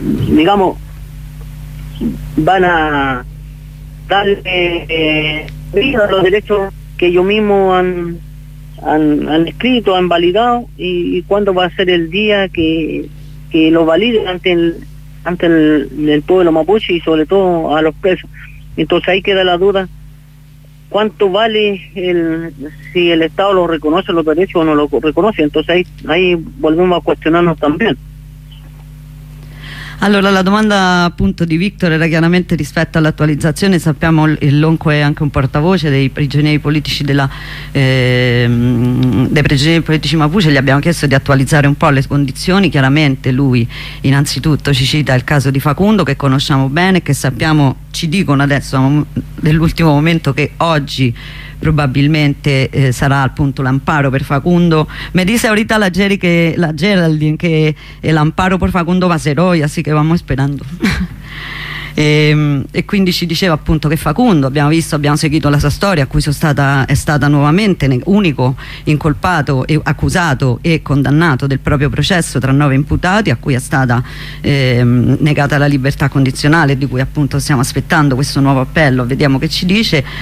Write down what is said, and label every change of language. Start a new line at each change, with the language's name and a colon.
Spanish: digamos van a darle vida a los derechos que ellos mismos han escrito, han validado, y cuándo va a ser el día que lo valide ante el pueblo mapuche, y sobre todo a los presos. Entonces ahí queda la duda, cuánto vale si el Estado lo reconoce los derechos o no lo reconoce. Entonces ahí volvemos a cuestionarnos también.
Italian: Allora, la domanda appunto di Victor era chiaramente rispetto all'attualizzazione. Sappiamo che Lonco è anche un portavoce dei prigionieri politici mapuche. Gli abbiamo chiesto di attualizzare un po' le condizioni. Chiaramente lui innanzitutto ci cita il caso di Facundo, che conosciamo bene, che sappiamo, ci dicono adesso nell'ultimo momento, che oggi probabilmente sarà appunto l'amparo per Facundo.
Spanish: Me dice ahorita la Geraldine que el amparo por Facundo va a ser hoy, así que vamos esperando.
Italian: e quindi ci diceva appunto che Facundo, abbiamo visto, abbiamo seguito la sua storia, a cui sono stata, è stata nuovamente unico incolpato e accusato e condannato del proprio processo tra 9 imputati, a cui è stata negata la libertà condizionale, di cui appunto stiamo aspettando questo nuovo appello, vediamo che ci dice.